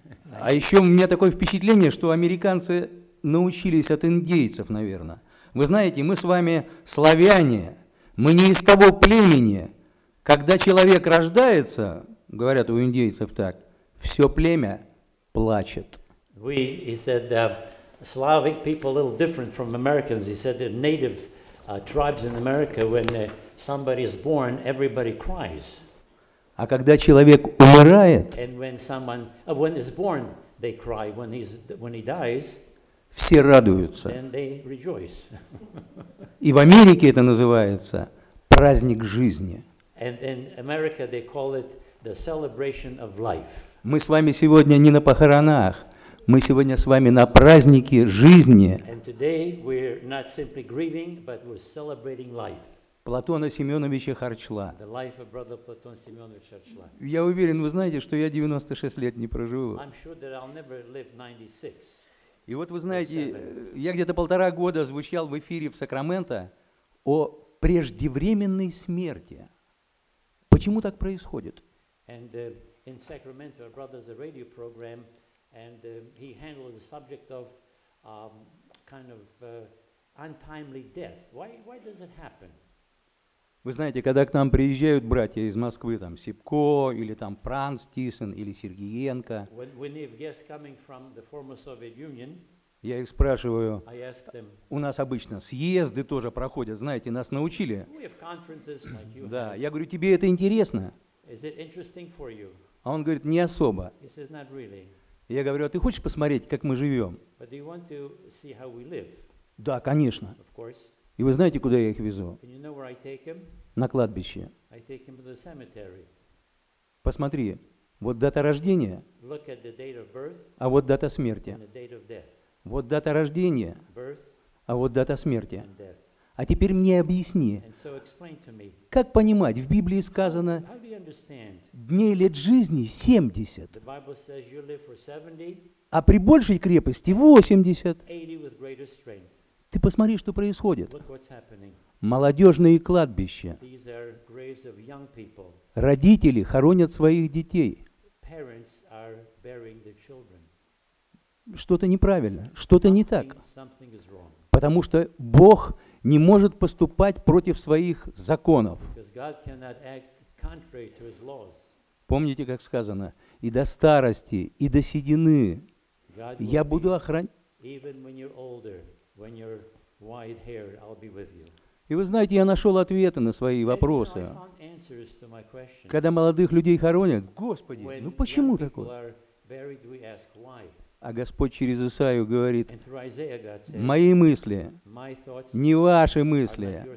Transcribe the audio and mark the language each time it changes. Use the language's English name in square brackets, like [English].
[Russian] А еще у меня такое впечатление, что американцы научились от индейцев, наверное. Вы знаете, мы с вами славяне, мы не из того племени. Когда человек рождается, говорят у индейцев так, все племя плачет. [English] We, he said, Slavic people a little different from Americans. He said that native tribes in America, when somebody is born, everybody cries. [Russian] А когда человек умирает, [English] and when someone, when is born, they cry. When he's, when he dies, [Russian] все радуются. [English] Then they rejoice. [Russian] И в Америке это называется праздник жизни. [English] And in America they call it the celebration of life. [Russian] Мы с вами сегодня не на похоронах. Мы сегодня с вами на празднике жизни. [English] And today we're not simply grieving, but we're celebrating life. [Russian] Платона Семеновича Харчла. [English] The life of brother Platon Semyonovich Harchla. [Russian] Я уверен, вы знаете, что я 96 лет не проживу. [English] I'm sure that I'll never live 96. [Russian] И вот вы знаете, я где-то полтора года звучал в эфире в Сакраменто о преждевременной смерти. Почему так происходит? [English] And in Sacramento, our brother's a radio program, and he handled the subject of kind of untimely death. Why does it happen? [Russian] Вы знаете, когда к нам приезжают братья из Москвы, там Сипко или там Франц Тисон или Сергиенко, [English] when [Russian] я их спрашиваю, [English] I ask them, [Russian] у нас обычно съезды тоже проходят, знаете, нас научили. [English] We have conferences like you. [Russian] Да, я говорю, тебе это интересно? [English] Is it interesting for you? [Russian] А он говорит, не особо. [English] He says, not really. [Russian] Я говорю, а ты хочешь посмотреть, как мы живем? [English] But do you want to see how we live? [Russian] Да, конечно. [English] Of course. [Russian] И вы знаете, куда я их везу? [English] You know where I take him? [Russian] На кладбище. [English] I take him to the cemetery. [Russian] Посмотри, вот дата рождения, [English] look at the date of birth, [Russian] а вот дата смерти. [English] And the date of death. [Russian] Вот дата рождения, [English] birth, [Russian] а вот дата смерти. [English] And death. [Russian] А теперь мне объясни, [English] so explain to me, [Russian] как понимать, в Библии сказано, [English] how do you understand? [Russian] Дней лет жизни 70, [English] the Bible says you live for 70, [Russian] а при большей крепости 80. [English] 80 with greater strength. [Russian] Ты посмотри, что происходит. [English] Look what's happening. [Russian] Молодежные кладбища. [English] These are graves of young people. [Russian] Родители хоронят своих детей. [English] Parents are burying their children. [Russian] Что-то неправильно, что-то [English] something, [Russian] не так. [English] Something is wrong. [Russian] Потому что Бог не может поступать против своих законов. [English] Because God cannot act contrary to his laws. [Russian] Помните, как сказано, и до старости, и до седины [English] God [Russian] я буду охранять. [English] When you're white-haired, I'll be with you. [Russian] И вы знаете, я нашел ответы на свои вопросы. [English] You know, [Russian] когда молодых людей хоронят, Господи, [English] when [Russian] ну почему такое? [English] Buried, ask, [Russian] а Господь через Исаию говорит, [English] said, [Russian] мои мысли, [English] my thoughts, [Russian] не ваши мысли,